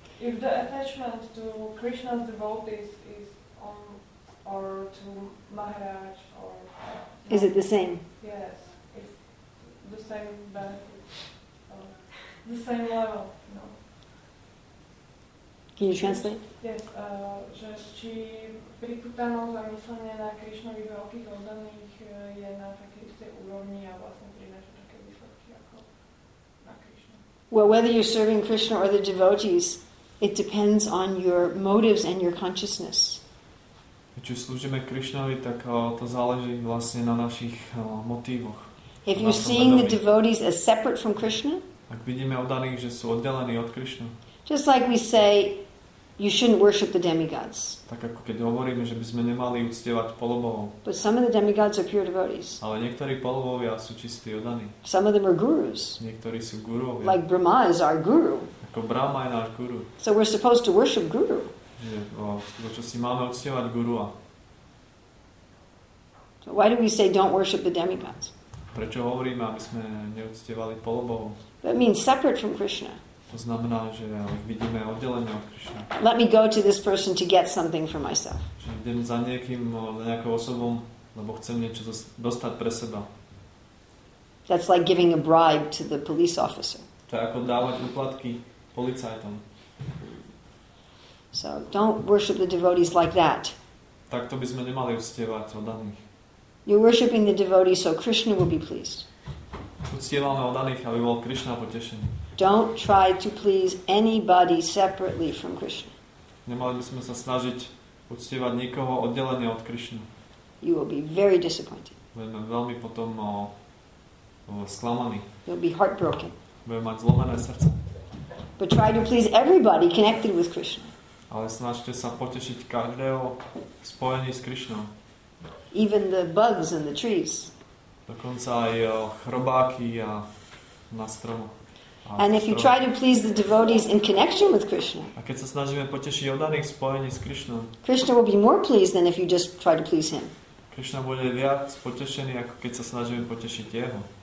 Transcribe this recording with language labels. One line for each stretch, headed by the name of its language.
English: If the attachment to Krishna's devotees is on or to Maharaj or is it the same? Yes, if the same benefit, the same level, you know. Can you translate?
Slovak: Yes, že či pripútanosť a myslenie na Krišnových veľkých oddaných je na takej istej úrovni a vlastne prináša také výsledky ako na Krišnu.
English: Well, whether you're serving Krishna or the devotees, it depends on your motives and your consciousness.
Slovak: Či slúžime Krišnovi, tak to záleží vlastne na našich motívoch.
English: If you're seeing the devotees as separate from Krishna,
Slovak: ak vidíme oddaných, že sú oddelení od Krišnu,
English: just like we say, you shouldn't worship the demigods.
Slovak: Tak ako keď hovoríme, že by sme nemali uctievať polobohov.
English: But some of the demigods are pure devotees.
Slovak: Ale niektorí polobohovia sú čistí oddaní.
English: Some of them are gurus.
Slovak: Niektorí sú gurovia.
English: Like Brahma is our guru.
Slovak: Ako Brahma je náš guru.
English: So we're supposed to worship guru.
Slovak: Čo si máme uctievať gurua.
English: So why do we say don't worship the demigods?
Slovak: Prečo hovoríme, aby sme neuctievali polobohov?
English: That means separate from Krishna.
Slovak: To znamená, že vidíme oddelenie od Krishna.
English: Let me go to this person to get something for myself.
Slovak: Že idem za niekým, za nejakou osobou, lebo chcem niečo dostať pre seba.
English: That's like giving a bribe to the police officer.
Slovak: To je ako dávať úplatky policajtom.
English: So don't worship the devotees like that.
Slovak: Tak to by sme nemali uctievať oddaných.
English: You're worshiping the devotees so Krishna will be pleased.
Slovak: Uctievame oddaných, aby bol Krishna potešený.
English: Don't try to please anybody separately from Krishna.
Slovak: Nemali by sme sa snažiť uctievať nikoho oddelený od Krishna.
English: You will be very disappointed.
Slovak: Budeme veľmi potom sklamaní.
English: You'll be heartbroken.
Slovak: Budeme mať zlomené srdce.
English: But try to please everybody connected with Krishna.
Slovak: Ale snažte sa potešiť každého spojený s Krishnou.
English: Even the bugs and the trees.
Slovak: Dokonca aj chrobáky a na stromoch.
English: And if you try to please the devotees in connection with Krishna,
Slovak: a keď sa snažíme potešiť oddaných v spojení s Krishnou,
English: Krishna will be more pleased than if you just try to please him.
Slovak: Krishna bude viac potešený, ako keď sa snažíme potešiť jeho.